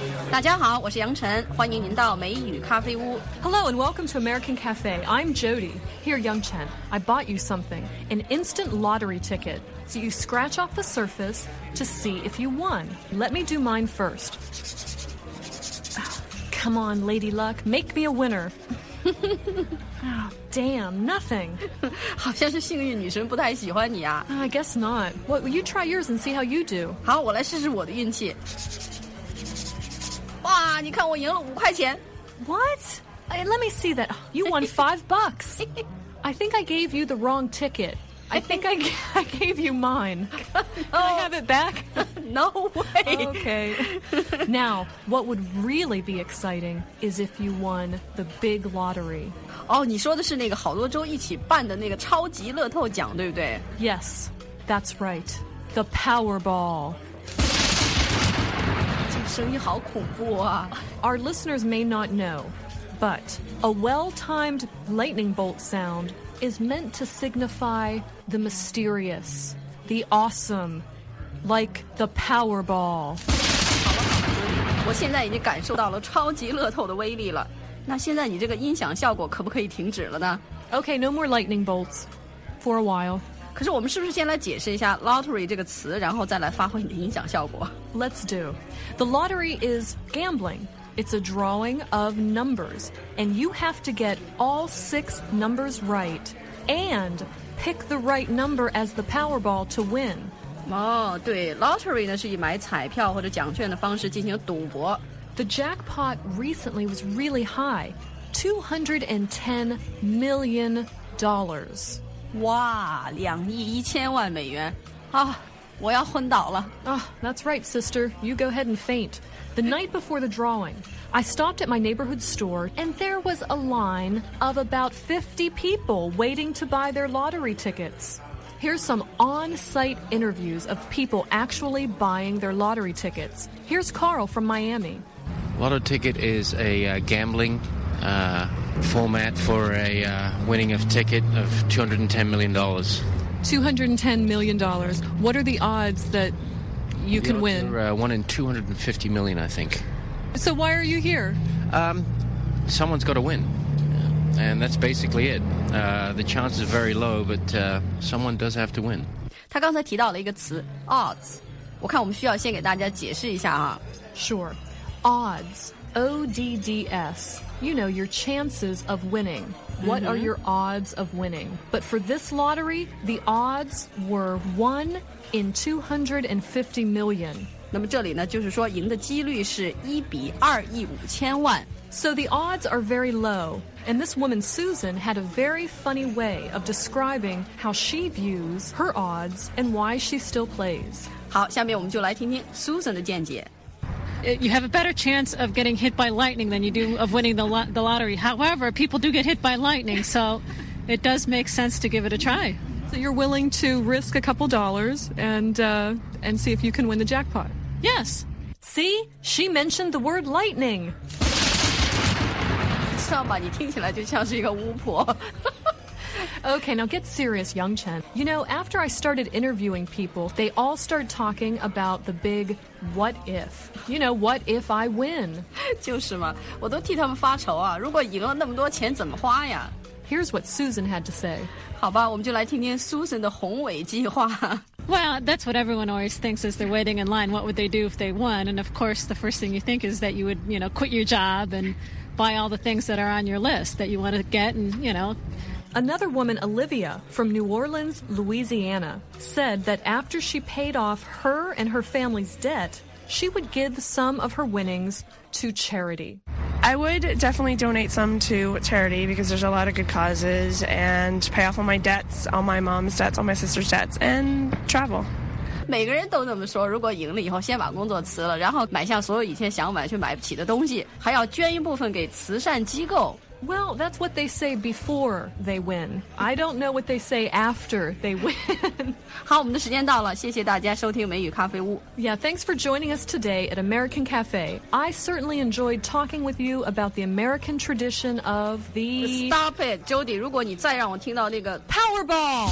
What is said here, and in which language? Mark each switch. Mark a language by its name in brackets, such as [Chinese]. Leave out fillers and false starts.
[Chinese] 大家好，我是杨晨，欢迎您到美语咖啡屋。 [English] Hello and welcome to American Cafe. I'm Jody. Here, Yang Chen. I bought you something, an instant lottery ticket. So you scratch off the surface to see if you won. Let me do mine first. Come on, Lady Luck, make me a winner. Damn, nothing. [Chinese] 好像是幸运女神不太喜欢你啊。 [English] I guess not. Well, you try yours and see how you do. [Chinese] 好，我来试试我的运气。哇，你看我赢了5块钱。 [English] What? Hey, let me see that. You won $5. I think I gave you the wrong ticket. I think I gave you mine. Can I have it back? No way. Okay. Now, what would really be exciting is if you won the big lottery. [Chinese] 哦，你说的是那个好多州一起办的那个超级乐透奖，对不对？ [English] Yes, that's right. The Powerball. [Chinese] 声音好恐怖啊。 [English] Our listeners may not know, but a well-timed lightning bolt sound is meant to signify the mysterious, the awesome, like the Powerball. [Chinese] 好了好了，我现在已经感受到了超级乐透的威力了。那现在你这个音响效果可不可以停止了呢？ [English] Okay, no more lightning bolts for a while. [Chinese] 可是我们是不是先来解释一下 lottery 这个词，然后再来发挥你的音响效果？ [English] Let's do. The lottery is gambling. It's a drawing of numbers. And you have to get all 6 numbers right. And pick the right number as the Powerball to win. [Chinese] 哦，对， lottery 呢是以买彩票或者奖券的方式进行赌博。 [English] The jackpot recently was really high. $210 million. [Chinese] 哇，2亿1000万美元。啊，我要昏倒了。 [English] Oh, that's right, sister. You go ahead and faint. The night before the drawing, I stopped at my neighborhood store, and there was a line of about 50 people waiting to buy their lottery tickets. Here's some on-site interviews of people actually buying their lottery tickets. Here's Carl from Miami. Lottery ticket is a gambling format for a winning of ticket of $210 million. $210 million. What are the odds that you can win? One in 250 million, I think. So why are you here? Someone's got to win. And that's basically it. The chance is very low, but someone does have to win. [Chinese] 他刚才提到了一个词 odds. 我看我们需要先给大家解释一下啊。 [English] Sure. Odds. ODDS. You know, your chances of winning. What、mm-hmm. are your odds of winning? But for this lottery, the odds were 1 in 250 million. [Chinese] 那么这里呢，就是说赢的几率是1比2亿5千万。 [English] So the odds are very low. And this woman, Susan, had a very funny way of describing how she views her odds and why she still plays. [Chinese] 好，下面我们就来听听 Susan 的见解。 [English] You have a better chance of getting hit by lightning than you do of winning the lottery. However, people do get hit by lightning, so it does make sense to give it a try. So you're willing to risk a couple dollars and see if you can win the jackpot? Yes. See? She mentioned the word lightning. [Chinese] 知道吧，你听起来就像是一个巫婆。 [English] Okay, now get serious, Yang Chen. You know, after I started interviewing people, they all start talking about the big what if. You know, what if I win? [Chinese] 就是嘛，我都替他们发愁啊，如果赢了那么多钱怎么花呀？ [English] Here's what Susan had to say. [Chinese] 好吧，我们就来听听 Susan 的宏伟计划。 [English] Well, that's what everyone always thinks as they're waiting in line. What would they do if they won? And of course, the first thing you think is that you would, you know, quit your job and buy all the things that are on your list that you want to get and, you know... Another woman, Olivia, from New Orleans, Louisiana, said that after she paid off her and her family's debt, she would give some of her winnings to charity. I would definitely donate some to charity because there's a lot of good causes and pay off all my debts, all my mom's debts, all my sister's debts, and travel. [Chinese] 每个人都这么说，如果赢了以后先把工作辞了，然后买下所有以前想买却买不起的东西，还要捐一部分给慈善机构。 [English] Well, that's what they say before they win. I don't know what they say after they win. [Chinese] 好，我们的时间到了，谢谢大家收听美语咖啡屋。 [English] Yeah, thanks for joining us today at American Cafe. I certainly enjoyed talking with you about the American tradition of the... Stop it, Jody. [Chinese] 如果你再让我听到那个 Powerball!